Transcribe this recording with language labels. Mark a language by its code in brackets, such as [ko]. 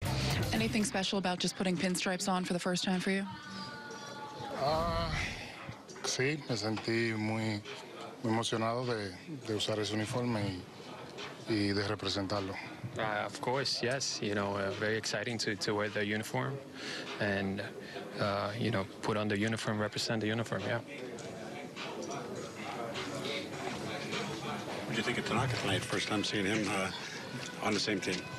[en] Anything special about just putting pinstripes on for the first time for you? [es] Sí, me sentí muy, muy emocionado de usar ese uniforme y de representarlo. [en] Of course, yes. You know, very exciting to wear the uniform and, you know, put on the uniform, represent the uniform, yeah. What did you think of Tanaka tonight? First time seeing him on the same team.